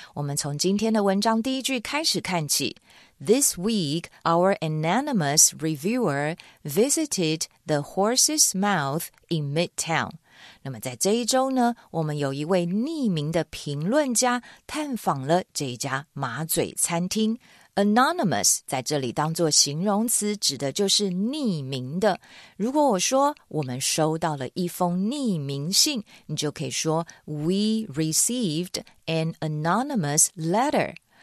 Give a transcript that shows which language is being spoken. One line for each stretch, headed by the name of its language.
Chinese: 我们从今天的文章第一句开始看起。
English: This week, our anonymous reviewer visited the Horse's Mouth in Midtown.
Chinese: 那么在这一周呢，我们有一位匿名的评论家探访了这一家马嘴餐厅。 Anonymous 在这里当作形容词，指的就是匿名的。如果我说我们收到了一封匿名信，你就可以说
English: We received an anonymous letter.